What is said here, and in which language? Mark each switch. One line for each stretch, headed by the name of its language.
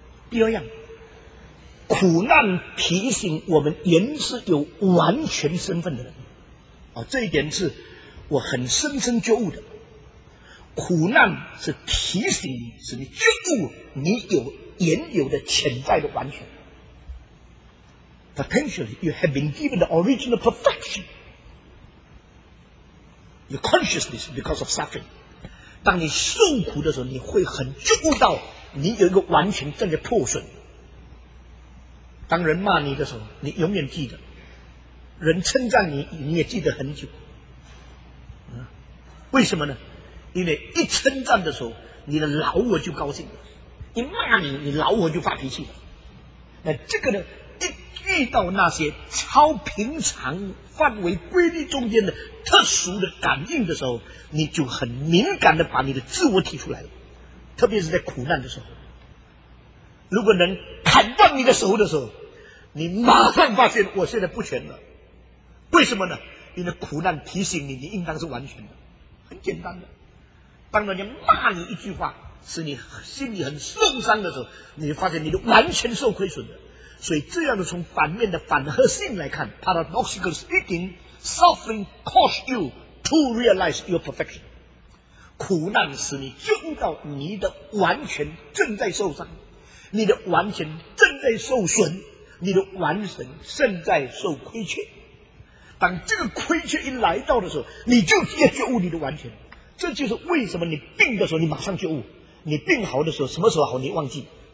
Chinese: 第二样，苦难提醒我们原是有完全身份的人，这一点是我很深深觉悟的。苦难是提醒你，是你觉悟你有原有的潜在的完全。
English: Potentially, you have been given the original perfection. Your consciousness because of suffering.
Chinese: 当你受苦的时候，你会很觉悟到你有一个完全正在破损。当人骂你的时候，你永远记得；人称赞你，你也记得很久。为什么呢？因为一称赞的时候，你的老我就高兴了；一骂你，你老我就发脾气了。那这个呢？一遇到那些超平常范围规律中间的特殊的感应的时候，你就很敏感的把你的自我提出来了，特别是在苦难的时候。如果能砍断你的手的时候，你马上发现我现在不全了。为什么呢？因为苦难提醒你，你应当是完全的。很简单的，当人家骂你一句话，使你心里很受伤的时候，你就发现你都完全受亏损的。所以这样的从反面的反合性来看 ，
English: paradoxical speaking, suffering costs you to realize your perfection。
Chinese: 苦难使你觉悟到你的完全正在受伤。你的完全正在受损，你的完全正在受亏欠。当这个亏欠一来到的时候，你就要觉悟你的完全。这就是为什么你病的时候你马上觉悟，你病好的时候什么时候好你忘记。